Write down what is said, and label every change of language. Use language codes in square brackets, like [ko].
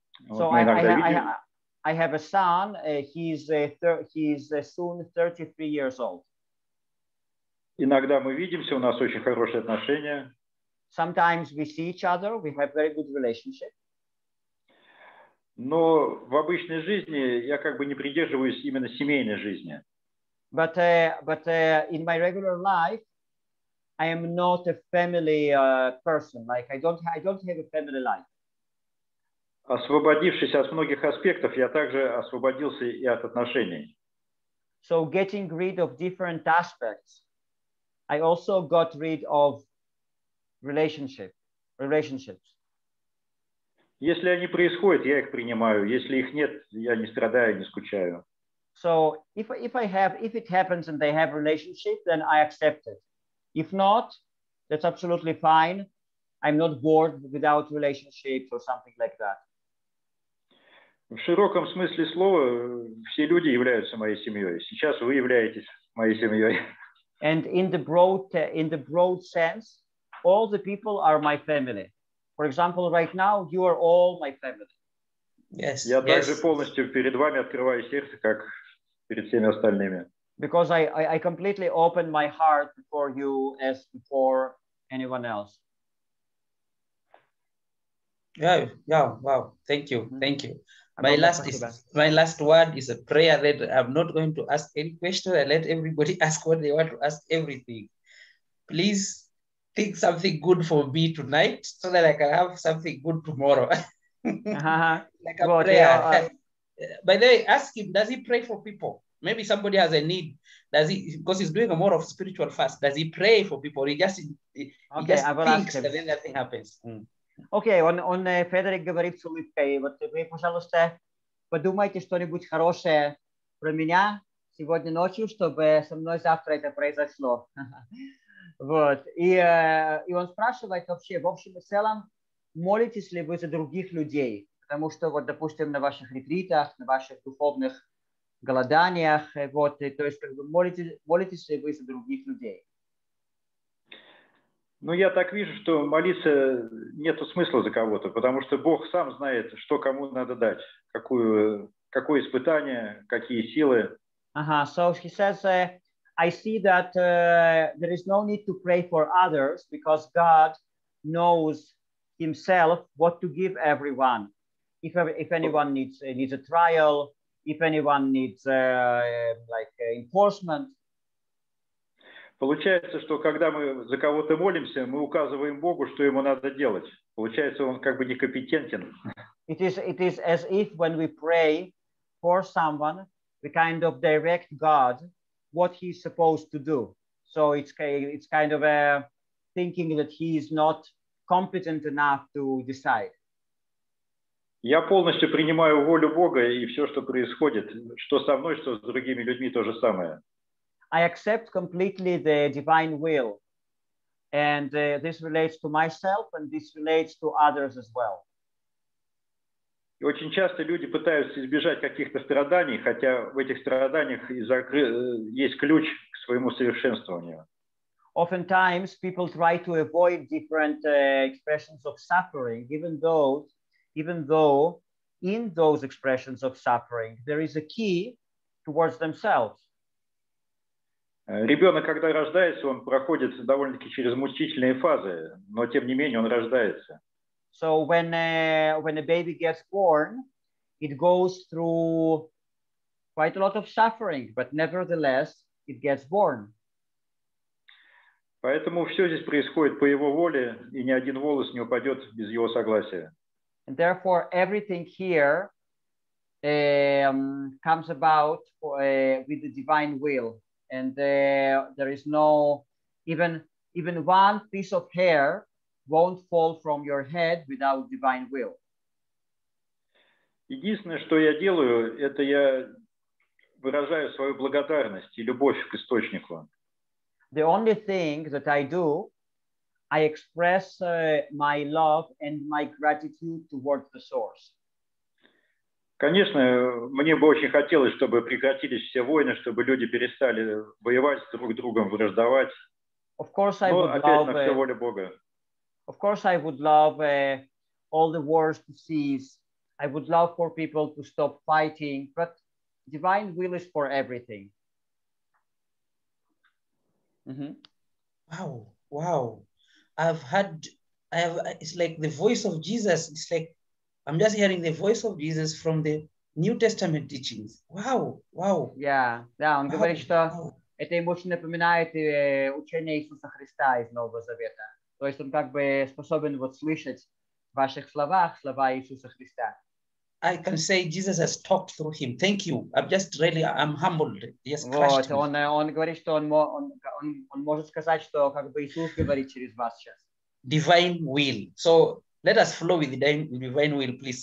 [en] So I have a son, he's soon 33 years old. [ru] Иногда мы видимся, у нас очень хорошие отношения. [en] Sometimes we see each other, we have very good relationship. [ru] Но в обычной жизни я как бы не придерживаюсь именно семейной жизни. [en] But in my regular life, I am not a family person. Like I don't have a family life. [ru] Освободившись от многих аспектов, я также освободился и от отношений. [en] So getting rid of different aspects, I also got rid of relationships. [ru] Если они происходят, я их принимаю. Если их нет, я не страдаю, не скучаю. [en] So if it happens and they have relationship, then I accept it. If not, that's absolutely fine. I'm not bored without relationships or something like that. [ru] В широком смысле слова, все люди являются моей семьей. Сейчас вы являетесь моей семьей. [en] And in the broad sense, all the people are my family. For example, right now you are all my family. Yes. [ru] Я также полностью перед вами открываю сердце, как перед всеми остальными. [en] Because I completely open my heart before you as before anyone else. Wow. Thank you. Thank you. My last word is a prayer that I'm not going to ask any question. I let everybody ask what they want to ask everything. Please think something good for me tonight so that I can have something good tomorrow. Like a prayer. By the way, ask him, does he pray for people? Maybe somebody has a need. Does he, because he's doing a more of spiritual fast, does he pray for people? He just thinks and then that thing happens. Mm. [ru] Окей, он Федерик говорит с улыбкой. Вот вы, пожалуйста, подумайте что-нибудь хорошее про меня сегодня ночью, чтобы со мной завтра это произошло. Вот. И он спрашивает вообще, в общем и целом, молитесь ли вы за других людей? Потому что, вот, допустим, на ваших ретритах, на ваших духовных голоданиях, вот, то есть как бы молитесь ли вы за других людей? Ну, я так вижу, что молиться нету смысла за кого-то, потому что Бог сам знает, что кому надо дать, какое испытание, какие силы. [en] So he says, I see that there is no need to pray for others, because God knows himself what to give everyone. If anyone needs a trial, if anyone needs like enforcement. [ru] Получается, что когда мы за кого-то молимся, мы указываем Богу, что ему надо делать. Получается, он как бы некомпетентен. [en] It is as if when we pray for someone, we kind of direct God what he's supposed to do. So it's kind of a thinking that he is not competent enough to decide. [ru] Я полностью принимаю волю Бога и все, что происходит, что со мной, что с другими людьми, то же самое. [en] I accept completely the divine will. And this relates to myself and this relates to others as well. [ru] И очень часто люди пытаются избежать каких-то страданий, хотя в этих страданиях есть ключ к своему совершенствованию. [en] Oftentimes people try to avoid different expressions of suffering, even though in those expressions of suffering there is a key towards themselves. [ru] Ребенок, когда рождается, он проходит довольно-таки через мучительные фазы, но тем не менее он рождается. [en] So when a baby gets born, it goes through quite a lot of suffering, but nevertheless, it gets born. [ru] Поэтому все здесь происходит по его воле, и ни один волос не упадет без его согласия. [en] And therefore, everything here comes about with the divine will. And there is no, even one piece of hair won't fall from your head without divine will. [ru] Единственное, что я делаю, это я выражаю свою благодарность и любовь к источнику. [en] The only thing that I do, I express my love and my gratitude towards the source. [ru] Конечно, мне бы очень хотелось, чтобы прекратились все войны, чтобы люди перестали воевать друг с другом, враждовать. [en] Of course, I [ru] Но [en] would [ru] опять [en] love, [ru] на все воле Бога. [en] Of course, I would love all the wars to cease. I would love for people to stop fighting, but divine will is for everything. Mm-hmm. Wow. I have, it's like the voice of Jesus. It's like, I'm just hearing the voice of Jesus from the New Testament teachings. Wow. [ru] Yeah, он говорит, что это ему очень напоминает учение Иисуса Христа из Нового Завета. То есть он как бы способен вот слышать в ваших словах слова Иисуса Христа. [en] I can say Jesus has talked through him. Thank you. I'm humbled. Yes, crushed. [ru] Он говорит, что он может сказать, что как бы Иисус говорит через вас сейчас. [en] Divine will. So let us flow with the divine will, please.